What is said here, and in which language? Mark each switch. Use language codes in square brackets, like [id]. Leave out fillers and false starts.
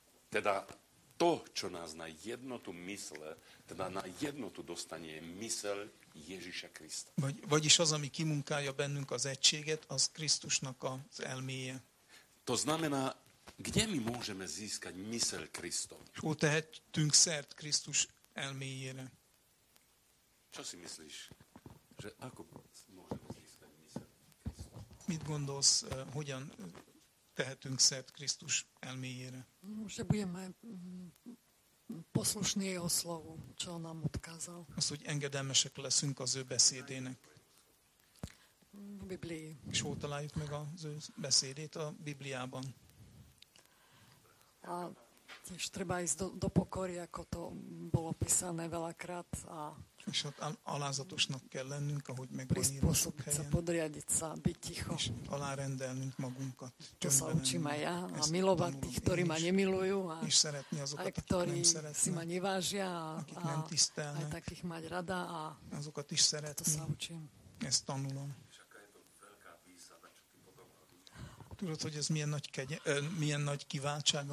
[sk] teda to, čo nás na jednotu mysle, teda na jednotu dostane mysel Ježíša Krista. [hu] Vagyis az, ami kimunkálja bennünk az egységet, az Krisztusnak az elméje. [sk] To znamená, kde my môžeme získať mysel Kristov? [hu] Hol tehetünk szert Krisztus elméjére? [sk] Čo si myslíš, že ako môžeme získať mysel Kristov? [hu] Mit gondolsz, hogyan tehetünk szert Krisztus elméjére? [sk] Že budeme poslušní jeho slovu, čo nám odkázal. [hu] Az, hogy engedelmesek leszünk az ő beszédének. [sk] Biblii. [hu] És hol találjuk meg az ő beszédét a Bibliában? [sk] A tiež treba ísť do pokory, ako to bolo písané veľakrát. A [hu] és ott alázatosnak kell lennünk, ahogy meg van írva sok helyen. [sk] Podriadiť sa, byť ticho. [hu] És alárendelnünk magunkat. [sk] To sa učím aj ja. A milovať tých, ktorí ma nemilujú. [hu] És szeretni azokat, akik nem szeretnek. [sk] Si ma nevážia. [hu] Akik nem tisztelnek. [sk] Aj takých mať rada. A [hu] azokat is szeretni. [sk] To sa učím. [hu] Ezt tanulom. Tudod, hogy ez milyen nagy, milyen nagy kiváltság,